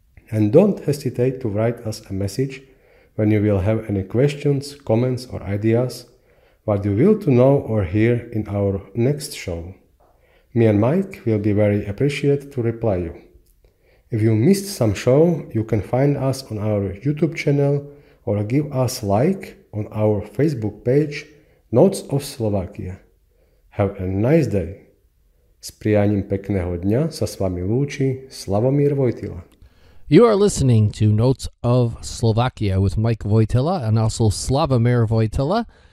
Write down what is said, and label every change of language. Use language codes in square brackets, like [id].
[en] And don't hesitate to write us a message when you will have any questions, comments or ideas what you will to know or hear in our next show. Me and Mike will be very appreciate to reply you. If you missed some show, you can find us on our YouTube channel or give us like on our Facebook page Notes of Slovakia. Have a nice day. [sk] S prianím pekného dňa sa s vami lúči Slavomír Vojtila. [en] You are listening to Notes of Slovakia with Mike Vojtila and also Slavomír Vojtila.